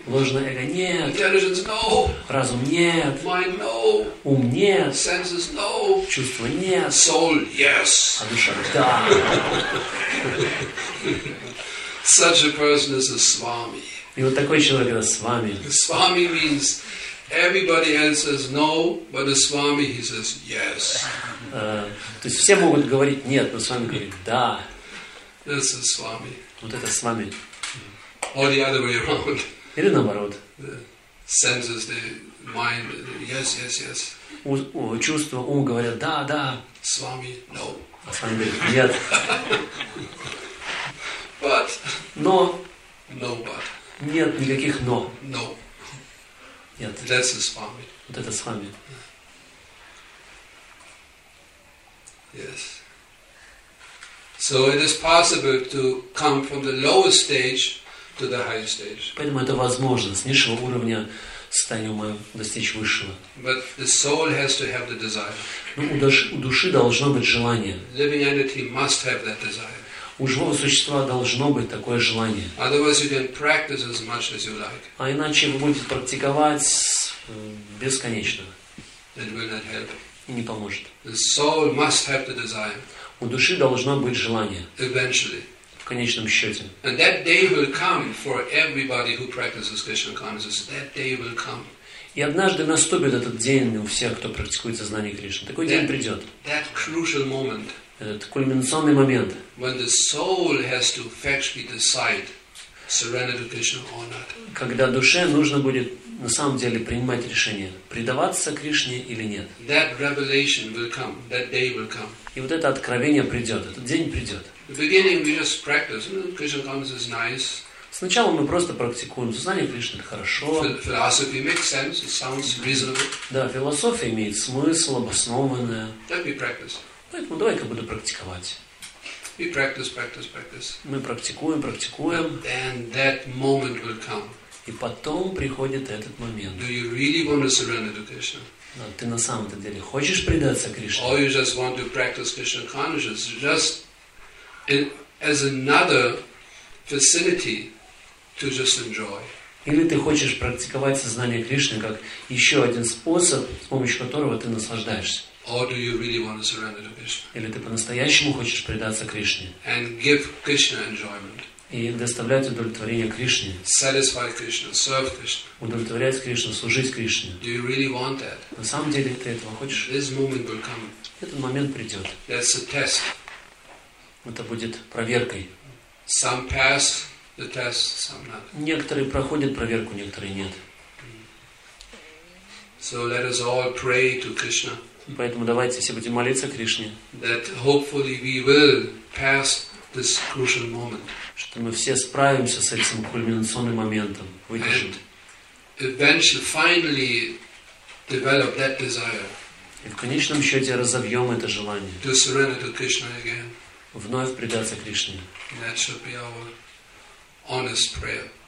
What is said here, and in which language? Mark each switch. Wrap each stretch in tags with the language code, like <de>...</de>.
<ru>Ложное эго, нет.</ru> <en>Intelligence, no.</en> <ru>Разум, нет.</ru> <en>Mind, no.</en> <ru>Ум, нет.</ru> <en>Senses, no.</en> <ru>Чувство, нет.</ru> <en>Soul, yes.</en> <ru>А душа, да.</ru> <en>Such a person is a swami.</en> <ru>И вот такой человек это свами.</ru> <en>Swami means everybody else says no, but the swami he says yes.</en> <ru>То есть все могут говорить нет, но свами говорит да.</ru> <en>This is swami.</en> <ru>Вот это свами.</ru> <en>Or the other way around.</en> <ru>Или наоборот.</ru> <en>The senses, the mind, yes, yes, yes.</en> <ru>Чувства, ум говорят да, да.</ru> <en>Swami, no.</en> <ru>А свами говорит нет.</ru> <en>But.</en> <ru>Но.</ru> <en>No but.</en> <ru>Нет никаких но.</ru> <en>No.</en> <ru>Нет.</ru> <en>That's the swami.</en> <ru>Вот это свами.</ru> <en>Yes. So it is possible to come from the lowest stage to the highest stage.</en> <ru>Поэтому это возможно с низшего уровня состояния ума достичь высшего.</ru> <en>But the soul has to have the desire.</en> <ru>Ну, у души должно быть желание.</ru> <en>Living entity must have that desire.</en> <ru>У живого существа должно быть такое желание.</ru> <en>Otherwise you can practice as much as you like.</en> <ru>А иначе вы будете практиковать бесконечно.</ru> <en>It will not help.</en> <ru>Не поможет.</ru> <en>The soul must have the desire.</en> <ru>У души должно быть желание.</ru> <en>Eventually.</en> <ru>В конечном счете.</ru> <en>And that day will come for everybody who practices Krishna consciousness. That day will come.</en> <ru>И однажды наступит этот день у всех, кто практикует сознание Кришны. Такой день придет.</ru> <en>That crucial moment,</en> <ru>этот кульминационный момент.</ru> <en>When the soul has to actually decide surrender to Krishna or not.</en> <ru>Когда душе нужно будет на самом деле принимать решение, предаваться Кришне или нет.</ru> <en>That revelation will come. That day will come.</en> <ru>И вот это откровение придет. Этот день придет.</ru> <en>In the beginning we just practice. You know, Krishna consciousness is nice.</en> <ru>Сначала мы просто практикуем. Сознание Кришны — это хорошо.</ru> <en>Philosophy makes sense, it sounds reasonable.</en> <ru>Да, философия имеет смысл, обоснованная.</ru> <en>Let me practice.</en> <ru>Поэтому давай-ка буду практиковать.</ru> <en>We practice, practice, practice.</en> <ru>Мы практикуем, практикуем.</ru> <en>And that moment will come.</en> <ru>И потом приходит этот момент.</ru> <en>Do you really want to surrender to Krishna?</en> <ru>Да, ты на самом-то деле хочешь предаться Кришне?</ru> <en>Or you just want to practice Krishna consciousness just as another facility to just enjoy.</en> <ru>Или ты хочешь практиковать сознание Кришны как еще один способ, с помощью которого ты наслаждаешься?</ru> <en>Or do you really want to surrender to Krishna?</en> <ru>Или ты по-настоящему хочешь предаться Кришне?</ru> <en>And give Krishna enjoyment.</en> <ru>И доставлять удовлетворение Кришне.</ru> <en>Satisfy Krishna, serve Krishna.</en> <ru>Удовлетворять Кришну, служить Кришне.</ru> <en>Do you really want that?</en> <ru>На самом деле ты этого хочешь?</ru> <en>This moment will come.</en> <ru>Этот момент придет.</ru> <en>That's a test.</en> <ru>Это будет проверкой.</ru> <en>Some pass the test, some not.</en> <ru>Некоторые проходят проверку, некоторые нет.</ru> <en>So let us all pray to Krishna.</en> <ru>Поэтому давайте все будем молиться Кришне.</ru> <en>That hopefully we will pass this crucial moment.</en> <ru>Что мы все справимся с этим кульминационным моментом, выдержим.</ru> <en>Eventually, finally, develop that desire.</en> <ru>И в конечном счете разовьем это желание.</ru> <en>To surrender to Krishna again.</en> <ru>Вновь предаться Кришне.</ru> <en>That should be our honest prayer.</en>